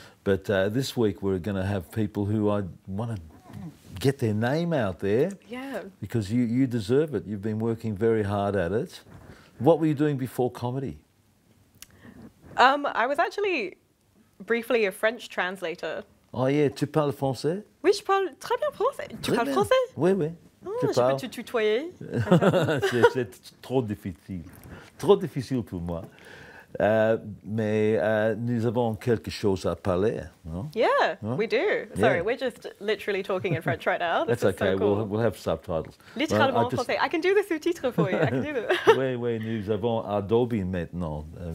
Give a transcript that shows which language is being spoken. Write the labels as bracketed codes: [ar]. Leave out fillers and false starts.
[en] But this week we're going to have people who I want to get their name out there. Yeah. Because you deserve it. You've been working very hard at it. What were you doing before comedy? I was actually briefly a French translator. Oh, yeah, [fr] tu parles français? Oui, je parle très bien français. Tu parles français? Oui, oui. Oh, je peux te tutoyer. C'est trop difficile. Trop difficile pour moi. Mais nous avons quelque chose à parler, non? [en] Yeah, non? We do. Sorry, yeah. We're just literally talking in French right now. This That's is okay, so cool. We'll have subtitles. [fr] Littéralement [en] well, just français. I can do the sous-titres for you. I can do it. [fr] Oui, nous avons Adobe maintenant.